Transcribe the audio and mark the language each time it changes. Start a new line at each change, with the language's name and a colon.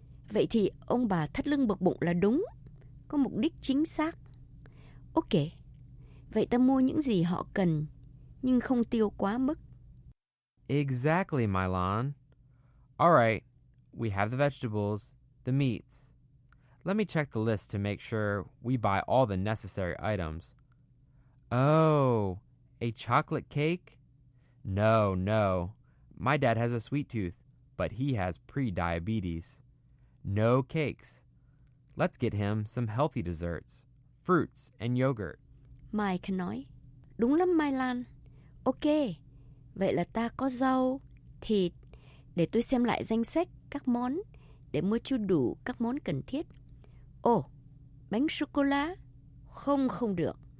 Vietnamese: Vậy thì ông bà thắt lưng buộc bụng là đúng, có mục đích chính xác. Okay. Vậy ta mua những gì họ cần, nhưng không tiêu quá mức.
English: Exactly, Mylon. All right, we have the vegetables, the meats. Let me check the list to make sure we buy all the necessary items. Oh, a chocolate cake? No, no. My dad has a sweet tooth, but he has pre-diabetes. No cakes. Let's get him some healthy desserts, fruits and yogurt.
Vietnamese: Mike nói, đúng lắm Mai Lan. Ok, vậy là ta có rau, thịt. Để tôi xem lại danh sách các món để mua chưa đủ các món cần thiết. Ồ, bánh sô-cô-la? Không, không được.